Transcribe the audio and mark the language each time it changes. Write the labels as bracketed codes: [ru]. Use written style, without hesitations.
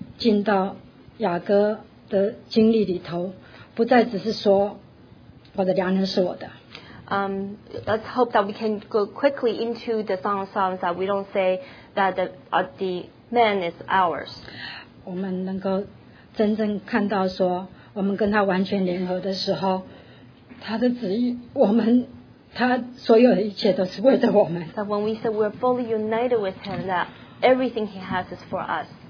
[zh] 但愿我们能够早早地进到雅各的经历里头, 不再只是说, 我的良人是我的。 [en] Let's hope that we can go quickly into the Song of Songs that we don't say that the man is ours. [zh] 我们能够真正看到说, 我们跟他完全联合的时候, 他的旨意, 我们, 他所有的一切都是为了我们, [en] that when we say we're fully united with him, that everything he has is for us.